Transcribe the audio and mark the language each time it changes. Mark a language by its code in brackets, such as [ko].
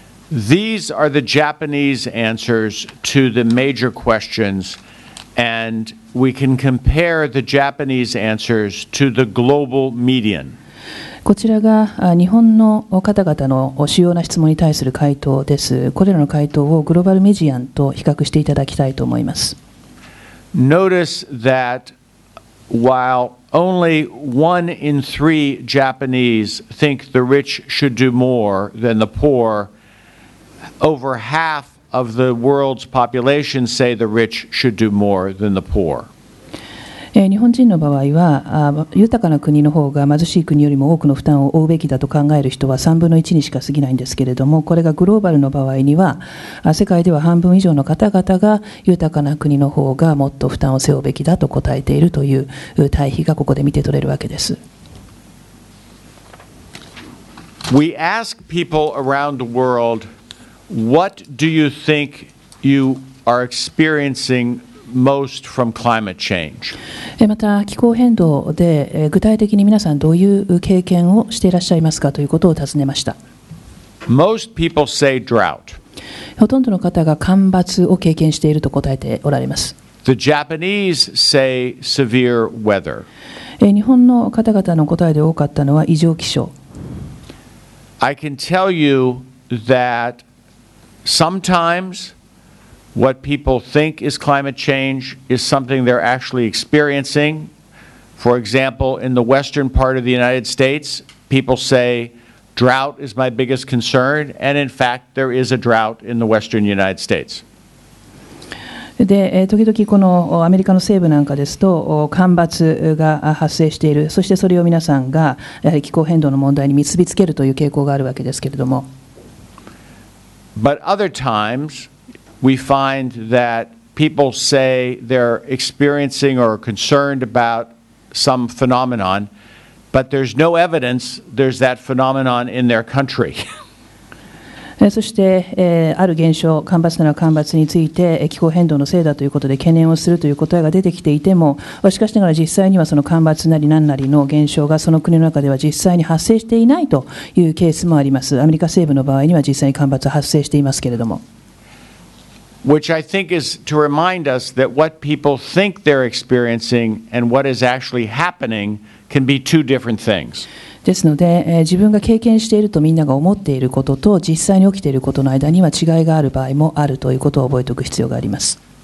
[en] These are the Japanese answers to the major questions, and we can compare the Japanese answers to the global median. [ja] こちらが日本の方々の主要な質問に対する回答です。これらの回答をグローバルメディアンと比較していただきたいと思います。 [en] Notice that while only one in three Japanese think the rich should do more than the poor,Over half of the world's population say the rich should do more than the poor. [ja] 日本人の場合は、豊かな国の方が貧しい国よりも多くの負担を負うべきだと考える人は3分の1にしか過ぎないんですけれども、これがグローバルの場合には、世界では半分以上の方々が豊かな国の方がもっと負担を背負うべきだと答えているという対比がここで見て取れるわけです。 [en] We ask people around the world,What do you think you are experiencing most from climate change? [ja] また気候変動で具体的に皆さんどういう経験をしていらっしゃいますかということを尋ねました。 [en] Most people say drought. [ja] ほとんどの方が干ばつを経験していると答えておられます。 [en] The Japanese say severe weather. [ja] 日本の方々の答えで多かったのは異常気象。 [en] I can tell you that. Sometimes what people think is climate change is something they're actually experiencing. For example, in the western part of the United States, people say drought is my biggest concern, and in fact, there is a drought in the western United States. [ja] で時々このアメリカの西部なんかですと干ばつが発生している、そしてそれを皆さんがやはり気候変動の問題に結びつけるという傾向があるわけですけれども。 [en] But other times, we find that people say they're experiencing or concerned about some phenomenon, but there's no evidence there's that phenomenon in their country. [ja] そして、ある現象、干ばつなら干ばつについて、気候変動のせいだということで懸念をするという答えが出てきていても、しかしながら実際にはその干ばつなり何なりの現象がその国の中では実際に発生していないというケースもあります。アメリカ西部の場合には実際に干ばつ発生していますけれども。 [en] Which I think is to remind us that what people think they're experiencing and what is actually happening can be two different things. [ja] ですので、自分が経験しているとみんなが思っていることと実際に起きていることの間には違いがある場合もあるということを覚えておく必要があります。